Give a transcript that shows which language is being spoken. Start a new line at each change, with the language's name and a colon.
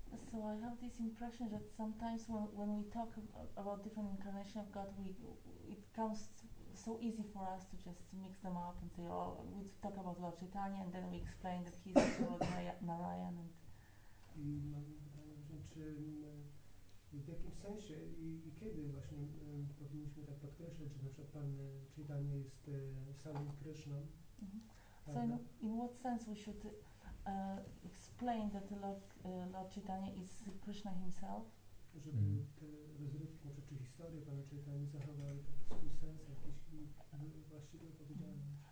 English: So I have this impression that sometimes when we talk about different incarnations of God, it comes so easy for us to just mix them up and say, oh, we talk about Lord Chaitanya and then we explain that he's Lord Narayan. And
Polish: I mam pytanie, czy w jakimś sensie i kiedy właśnie powinniśmy tak podkreślać, że na przykład Pan Chaitanya jest samym Kryszną. Mm-hmm.
English: So in what sense we should explain that the Lord Chaitanya is Krishna himself?
Polish: Żeby te rozrywki, może czy historie Pana Chaitanya zachowały taki swój sens, jakiś właściwie powiedziane.